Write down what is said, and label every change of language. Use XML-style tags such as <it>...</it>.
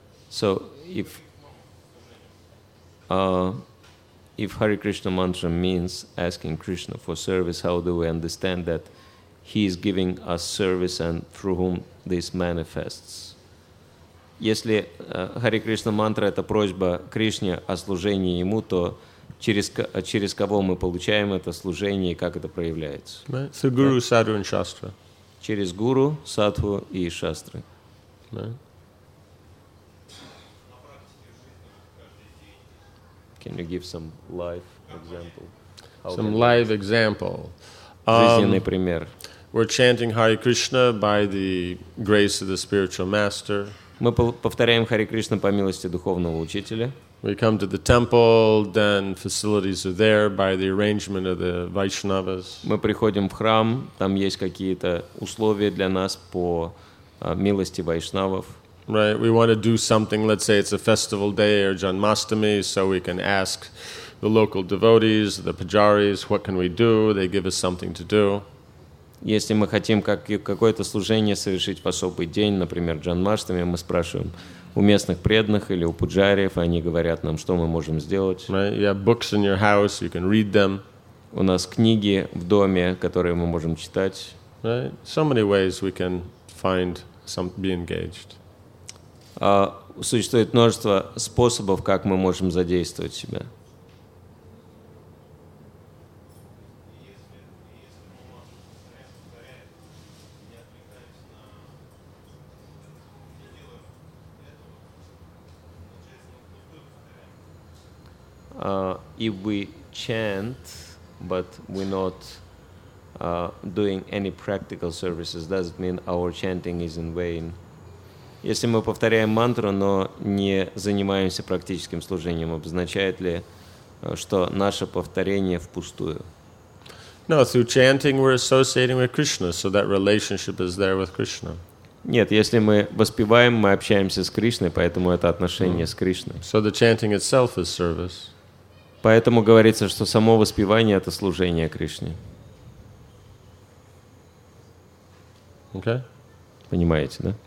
<en>So if Hare Krishna mantra means asking Krishna for service, how do we understand that he is giving us service and through whom this manifests?</en> <ru>Если Hare Krishna mantra это просьба Кришне о служении ему, то через кого мы получаем это служение и как это проявляется?</ru> <en>Right. Through Guru, yeah. Sadhu and Shastra.</en> <ru>Через Гуру, Садху и Шастры.</ru> <en>Right. Can you give some live example?</en> <ru>Жизненный пример.</ru> <en>We're chanting Hare Krishna by the grace of the spiritual master.</en> <ru>Мы повторяем Hare Krishna по милости духовного учителя.</ru> <en>We come to the temple, then facilities are there by the arrangement of the Vaishnavas.</en> <ru>Мы приходим в храм, там есть какие-то условия для нас по милости вайшнавов.</ru> <en>Right, we want to do something, let's say it's a festival day or Janmashtami, so we can ask the local devotees, the pujaris, what can we do? They give us something to do.</en> <ru>Если мы хотим какое-то служение совершить в особый день, например, Janmashtami, мы спрашиваем у местных преданных или у пуджариев, они говорят нам, что мы можем сделать.</ru> <en>Right, you have books in your house, you can read them.</en> <ru>У нас книги в доме, которые мы можем читать.</ru> <en>Right, so many ways we can find some, be engaged.</en> <ru>Существует множество способов, как мы можем задействовать себя.</ru> <en>If we chant, but we not doing any practical services, does it mean our chanting is in vain?</en> <ru>Если мы повторяем мантру, но не занимаемся практическим служением, обозначает ли, что наше повторение впустую?</ru> <en>No, through chanting we're associating with Krishna, so that relationship is there with Krishna.</en> <ru>Нет, если мы воспеваем, мы общаемся с Кришной, поэтому это отношение с Кришной.</ru> <en>So the chanting itself is service.</en> <ru>Поэтому говорится, что само воспевание это служение Кришне.</ru> <en>Okay.</en> <ru>Понимаете, да?</ru>